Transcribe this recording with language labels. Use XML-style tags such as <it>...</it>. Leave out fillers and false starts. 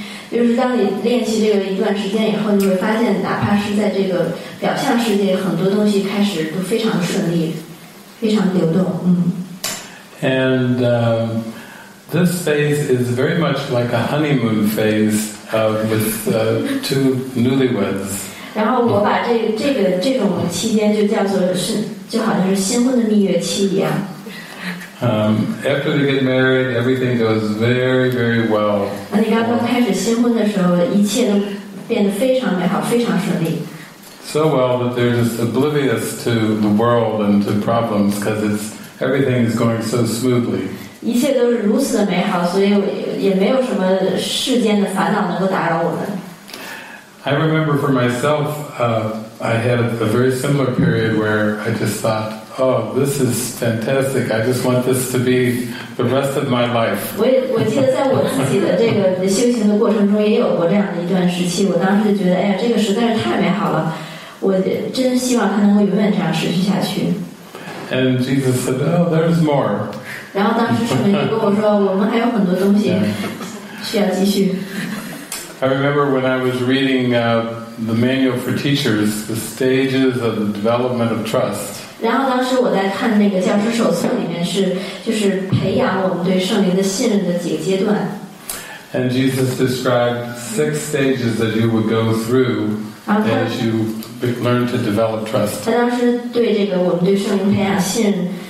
<zh>就是当你练习这个一段时间以后，你会发现哪怕是在这个表象世界，很多东西开始都非常顺利，非常流动。</zh> <en>And this phase is very much like a honeymoon phase with two newlyweds.</en> <zh>然后我把这种期间就叫做是就好像是新婚的蜜月期一样。</zh> <en>After they get married, everything goes very, very well.</en> <zh>那你刚刚开始新婚的时候，一切都变得非常美好，非常顺利。</zh> <en>So well that they're just oblivious to the world and to problems because everything is going so smoothly.</en> <zh>一切都是如此的美好，所以也没有什么世间的烦恼能够打扰我们。</zh> <en>I remember for myself, I had a very similar period where I just thought, oh, this is fantastic. I just want this to be the rest of my life.</en> <zh>我记得在我自己的这个修行的过程中，也有过这样的一段时期。我当时就觉得，哎呀，这个实在是太美好了，我真希望它能够永远这样持续下去。</zh> <en>And Jesus said, oh, there's more.</en> <zh>然后当时圣灵就跟我说，我们还有很多东西需要继续。</zh> <en>I remember when I was reading the manual for teachers, the stages of the development of trust.</en> <zh>然后当时我在看那个教师手册里面是，就是培养我们对圣灵的信任的几个阶段。</zh> <en>And Jesus described 6 stages that you would go through as you learn to develop trust.</en> <zh>他当时对这个我们对圣灵培养信任。</zh>